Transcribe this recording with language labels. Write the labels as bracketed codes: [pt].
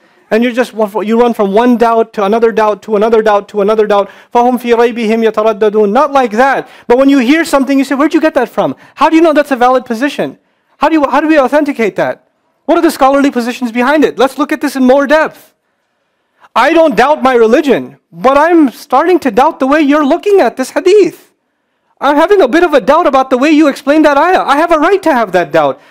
[en] And you just run from one doubt to another doubt to another doubt to another doubt. [ar] فَهُمْ فِي رَيْبِهِمْ يَتَرَدَّدُونَ [en] Not like that. But when you hear something, you say, where'd you get that from? How do you know that's a valid position? How do we authenticate that? What are the scholarly positions behind it? Let's look at this in more depth. I don't doubt my religion, but I'm starting to doubt the way you're looking at this hadith. I'm having a bit of a doubt about the way you explain that ayah. I have a right to have that doubt.